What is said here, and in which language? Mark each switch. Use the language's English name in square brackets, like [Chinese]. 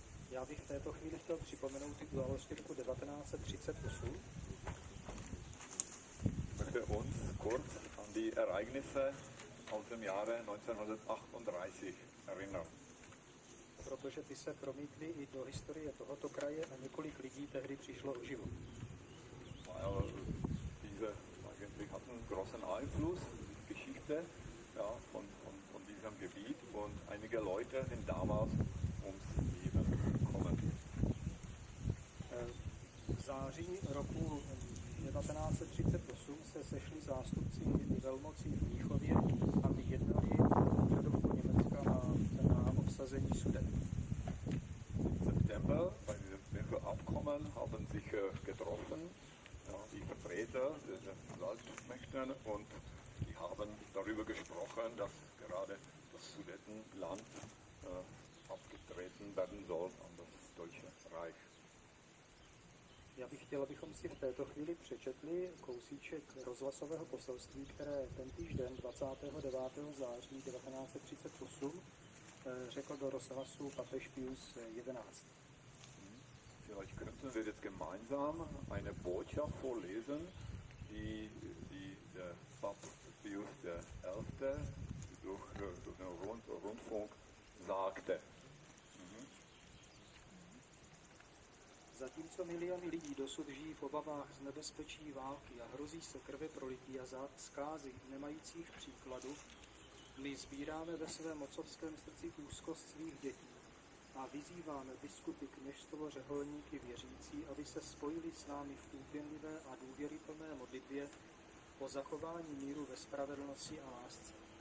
[Czech] Já bych v této chvíli chtěl připomenout ty události roku 1938. Takže on, kurz, [German] die Ereignisse aus dem Jahre 1938 erinnern. [Czech] Protože ty se promítli i do historie tohoto kraje a několik lidí tehdy přišlo o život. [German] Weil diese eigentlich hatten großen Einfluss in die Geschichte, ja, von diesem Gebiet und einige Leute sind damals ums Leben gekommen. [Czech] V září roku 1938 se sešli zástupci velmocí v Mnichově a vyjednali předobu Německa a na obsazení Sudet. [German] Im September bei diesem Münchner Abkommen haben sich getroffen, ja, die Vertreter der Landmächte und die haben darüber gesprochen, dass gerade das Sudetenland abgetreten werden soll an das Deutsche Reich. [Czech] Já bych chtěl, abychom si v této chvíli přečetli kousíček rozhlasového poselství, které ten týden 29. září 1938 řekl do rozhlasu papež Pius XI. [German] Vielleicht könnten wir jetzt gemeinsam eine Botschaft vorlesen, die der Papst Pius XI durch den Rundfunk sagte. [Czech] Zatímco miliony lidí dosud žijí v obavách z nebezpečí války a hrozí se krve prolití a zád zkázy nemajících příkladu, my sbíráme ve svém mocovském srdci úzkost svých dětí a vyzýváme biskupy, kněžstvo, řeholníky, věřící, aby se spojili s námi v úpěnlivé a důvěryplné modlitbě o zachování míru ve spravedlnosti a lásce.